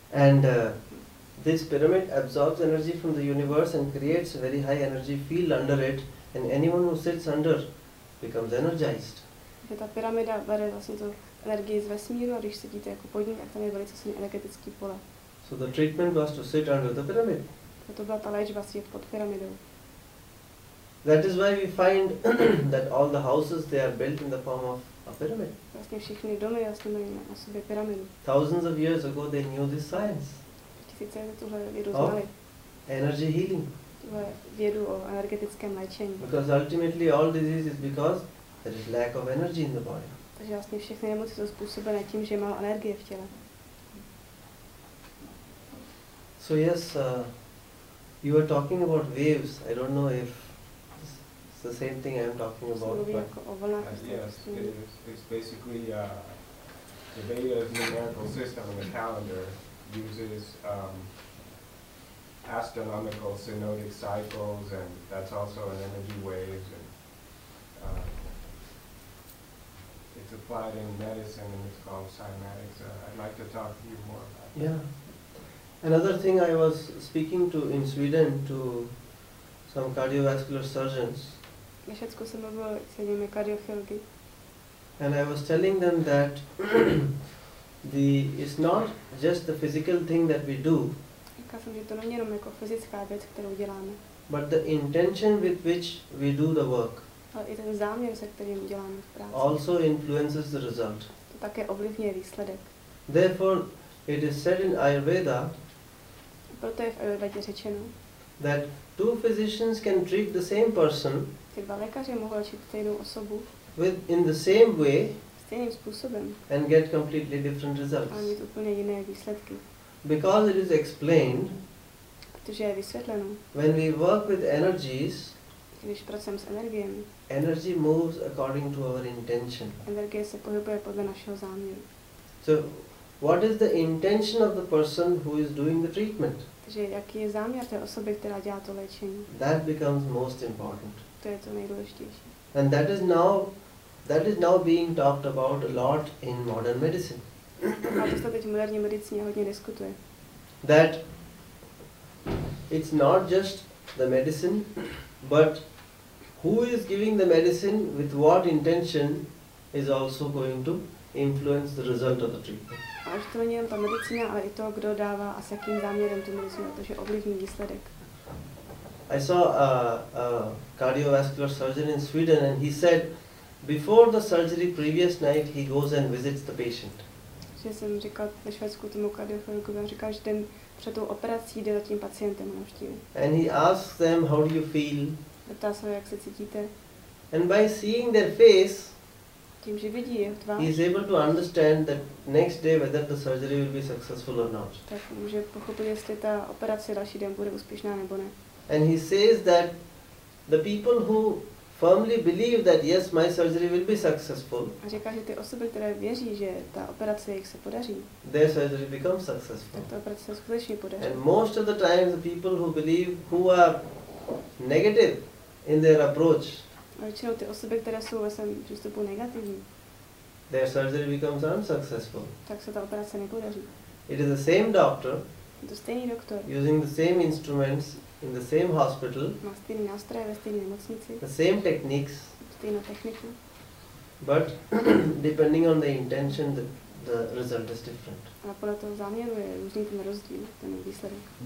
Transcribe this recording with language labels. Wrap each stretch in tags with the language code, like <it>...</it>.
<en>And this pyramid absorbs energy from the universe and creates a very high energy field under it, and anyone who sits under becomes energized.</en> <cs>Že ta pyramida bere vlastně tu energii z vesmíru, a když sedíte jako pod ní, tak tam je velice silný energetický pole.</cs> <en>So the treatment was to sit under the pyramid.</en> <cs>To byla ta léčba sedět pod pyramidou.</cs> <en>That is why we find that all the houses, they are built in the form of a pyramid.</en> <cs>Vlastně všichni domy vlastně mají na sobě pyramidu.</cs> <en>Thousands of years ago they knew this science.</en> <cs>Tisíce let tuhle vědu znali.</cs> <en>Energy healing.</en> <cs>Tuhle vědu o energetickém léčení.</cs> <en>Because ultimately all disease is because there is lack of energy in the body.</en> <cs>Takže vlastně všechny nemoci jsou způsobené tím, že je málo energie v těle.</cs> <en>So yes, you were talking about waves. I don't know if the same thing I'm talking about. Yes, it's basically the Vedas numerical system of the calendar uses astronomical synodic cycles, and that's also an energy waves, and it's applied in medicine and it's called cymatics. I'd like to talk to you more about that. Yeah. Another thing, I was speaking to in Sweden to some cardiovascular surgeons.</en> <cs>Ve Švédsku jsem mluvil s jednými kardiochirurgy.</cs> <en>And I was telling them that it's not just the physical thing that we do.</en> <cs>Tak říkala jsem, že to není jenom jako fyzická věc, kterou děláme.</cs> <en>But the intention with which we do the work.</en> <cs>Ale i ten záměr, se kterým děláme práci.</cs> <en>Also influences the result.</en> <cs>To také ovlivňuje výsledek.</cs> <en>Therefore, it is said in Ayurveda.</en> <cs>Proto je v Ayurvedě řečeno.</cs> <en>That two physicians can treat the same person.</en> <cs>Ty dva lékaři mohou léčit stejnou osobu.</cs> <en>With in the same way.</en> <cs>Stejným způsobem.</cs> <en>And get completely different results.</en> <cs>A mít úplně jiné výsledky.</cs> <en>Because it is explained.</en> <cs>Protože je vysvětleno.</cs> <en>When we work with energies.</en> <cs>Když pracujeme s energiemi.</cs> <en>Energy moves according to our intention.</en> <cs>Energie se pohybuje podle našeho záměru.</cs> <en>So, what is the intention of the person who is doing the treatment?</en> <cs>Takže jaký je záměr té osoby, která dělá to léčení?</cs> <en>That becomes most important.</en> <cs>To je to nejdůležitější.</cs> <en>And that is now being talked about a lot in modern medicine.</en> <cs>A to se teď v moderní medicíně hodně diskutuje.</cs> <en>That it's not just the medicine, but who is giving the medicine with what intention is also going to influence the result of the treatment.</en> <cs>A už to není jen ta medicína, ale i to, kdo dává a s jakým záměrem tu medicínu, protože ovlivní výsledek.</cs> <en>I saw a cardiovascular surgeon in Sweden and he said before the surgery previous night he goes and visits the patient.</en> <cs>Že jsem říkal ve Švédsku tomu kardiochirurgovi, říkal, že ten před tou operací jde za tím pacientem na návštívu.</cs> <en>And he asks them how do you feel?</en> <cs>Ptá se, jak se cítíte.</cs> <en>And by seeing their face,</en> <cs>tím, že vidí jeho tvář,</cs> <en>he is able to understand that next day whether the surgery will be successful or not.</en> <cs>Tak může pochopit, jestli ta operace další den bude úspěšná nebo ne.</cs> <en>And he says that the people who firmly believe that yes, my surgery will be successful.</en> <cs>A říká, že ty osoby, které věří, že ta operace jich se podaří.</cs> <en>Their surgery becomes successful.</en> <cs>Tak ta operace skutečně podaří.</cs> <en>And most of the time the people who believe who are negative in their approach.</en> <cs>A většinou ty osoby, které jsou ve svém přístupu negativní.</cs> <en>Their surgery becomes unsuccessful.</en> <cs>Tak se ta operace nepodaří.</cs> <en>It is the same doctor.</en> <cs>To stejný doktor.</cs> <en>Using the same instruments. In the same hospital,</en> <cs>má stejný nástroj ve stejné nemocnici,</cs> <en>the same techniques,</en> <cs>stejnou techniku,</cs> <en>but depending on the intention, the result is different.</en> <cs>A podle toho záměru je různý ten rozdíl, ten výsledek.</cs>